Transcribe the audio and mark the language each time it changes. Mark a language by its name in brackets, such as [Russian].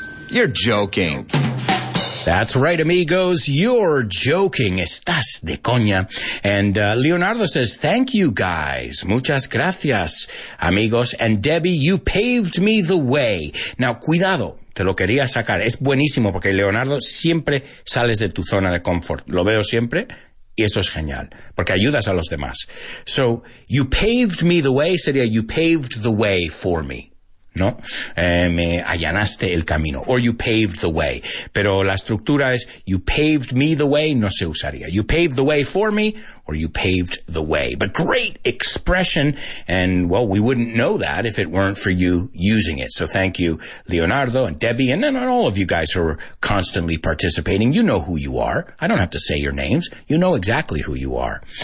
[English] You're joking. That's right, amigos. You're joking. [Spanish] Estás de coña. [English] And Leonardo says, thank you, guys. [Spanish] Muchas gracias, amigos. [English] And Debbie, you paved me the way. [Spanish] Now, cuidado. Te lo quería sacar. Es buenísimo porque, Leonardo, siempre sales de tu zona de confort. Lo veo siempre. Y eso es genial, porque ayudas a los demás. [English] So, you paved me the way, [Spanish] sería [English] you paved the way for me, [Spanish] ¿no? Me allanaste el camino, [English] or you paved the way. [Spanish] Pero la estructura es [English] you paved me the way, [Spanish] no se usaría. [English] You paved the way for me, or you paved the way. But great expression, and well, we wouldn't know that if it weren't for you using it. So thank you, Leonardo and Debbie, and then all of you guys who are constantly participating. You know who you are. I don't have to say your names. You know exactly who you are.